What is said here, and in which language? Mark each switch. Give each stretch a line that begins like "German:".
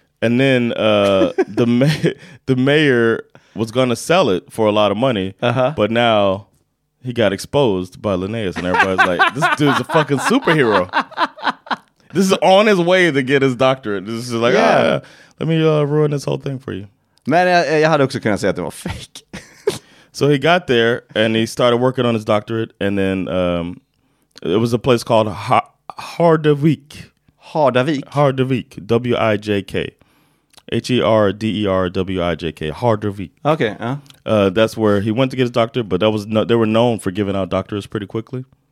English: And then the mayor was going to sell it for a lot of money, but now he got exposed by Linnaeus, and everybody's like, this dude's a fucking superhero. This is on his way to get his doctorate. This is like, let me ruin this whole thing for you.
Swedish: Man, jag hade också kunnat säga att det var fake.
English: So he got there and he started working on his doctorate. And then it was a place called Hardervik. Hardervik? Hardervik. W-I-J-K. H-E-R-D-E-R-W-I-J-K. Hardervik. Okay. That's where he went to get his doctorate. But that was they were known for giving out doctorates pretty quickly.